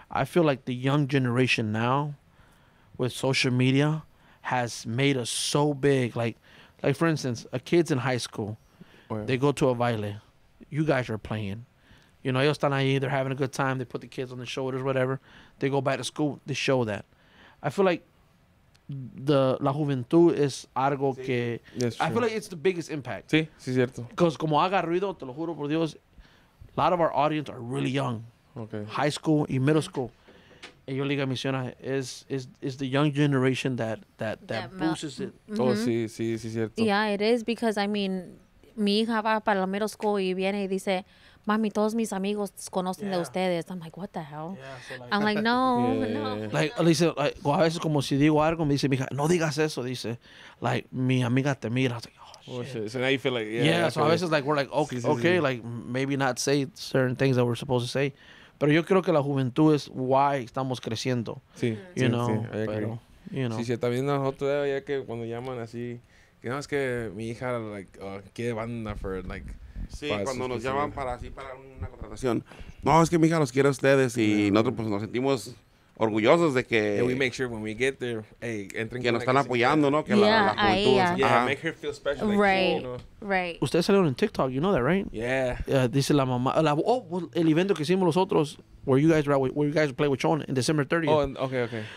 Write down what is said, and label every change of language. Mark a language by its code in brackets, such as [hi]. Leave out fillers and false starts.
[en] I feel like the young generation now with social media has made us so big. Like for instance, a kid's in high school, they go to a baile. You guys are playing. You know, [es] ellos están ahí, [en] they're having a good time, they put the kids on the shoulders, whatever. They go back to school, they show that. I feel like [es] la juventud es algo sí. Que... [en] Yes, I feel like it's the biggest impact. [es] Sí, sí, cierto. [en] Because [es] como haga ruido, te lo juro por Dios, [en] a lot of our audience are really young. Okay. High school y middle school. [es] Y yo le digo a [en] Misiona, is the young generation that boosts it. [es] Mm-hmm. Oh, sí, sí, sí, cierto. [en] Yeah, it is because, I mean, [es] mi hija va para la middle school y viene y dice... Mami, todos mis amigos conocen de ustedes. [en] I'm like, what the hell? Yeah, so like, I'm like, no, [es] Like, dice, like, a veces como si digo algo, me dice, mija, no digas eso, dice. [en] Like, [es] mi amiga te mira. [en] I was like, oh, shit. So now you feel like, yeah. Yeah, so a veces, like, we're like, okay, sí, sí, okay, sí. Like, maybe not say certain things that we're supposed to say. [es] Pero yo creo que la juventud es why estamos creciendo. Sí, [en] you [es] sí, [en] know, [es] sí. [en] Pero, you know. [es] Sí, sí, también nosotros, ya que cuando llaman así, que no es que mi hija, like, quiere banda for, like, sí, para cuando nos llaman para así para una contratación. No, es que mi hija los quiere a ustedes y nosotros pues nos sentimos orgullosos de que [en] yeah, we make sure when we get there, [es] hey, entren que nos están apoyando, ¿no? Que la juventud, [en] yeah, [es] ella. [en] Yeah, make her feel special. Like, right. [es] Cool, ¿no? [en] Right. [es] Ustedes salieron en TikTok, [en] you know that, right? Yeah. [es] Dice la mamá, el evento que hicimos nosotros [en] where you guys play with Sean in December 30th. Oh, okay.